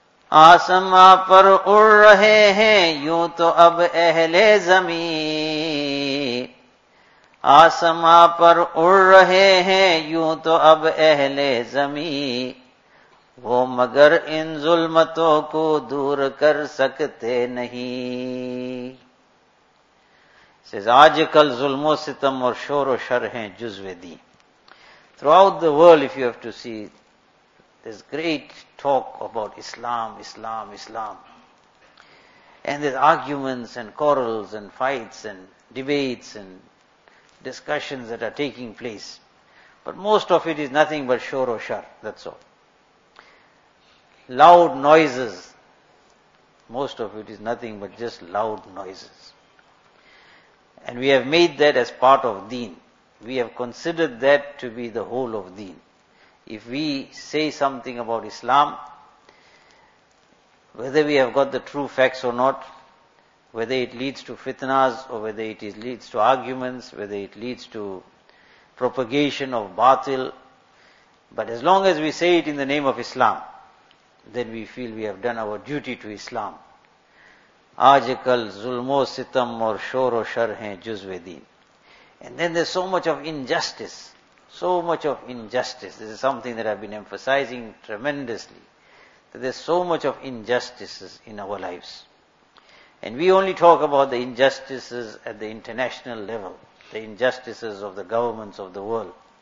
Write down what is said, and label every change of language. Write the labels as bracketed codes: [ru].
[ur] آسمان پر اڑ رہے ہیں یوں تو اب اہل زمین آسمان پر اڑ رہے ہیں یوں تو اب اہل زمین وہ مگر ان ظلمتوں کو دور کر سکتے نہیں. Says, آج کل ظلم و ستم اور شور و شر ہیں جزوِ دین. [en] Throughout the world, if you have to see, there's great talk about Islam, Islam, Islam. And there's arguments and quarrels and fights and debates and discussions that are taking place. But most of it is nothing but shor o shar, that's all. Loud noises. Most of it is nothing but just loud noises. And we have made that as part of deen. We have considered that to be the whole of deen. If we say something about Islam, whether we have got the true facts or not, whether it leads to fitnas or whether it leads to arguments, whether it leads to propagation of batil, but as long as we say it in the name of Islam, then we feel we have done our duty to Islam. [ur] آج کل ظلم و ستم اور شور و شر ہیں جزوِ دین. [en] And then there's so much of injustice. So much of injustice. This is something that I've been emphasizing tremendously. That there's so much of injustices in our lives. And we only talk about the injustices at the international level, the injustices of the governments of the world.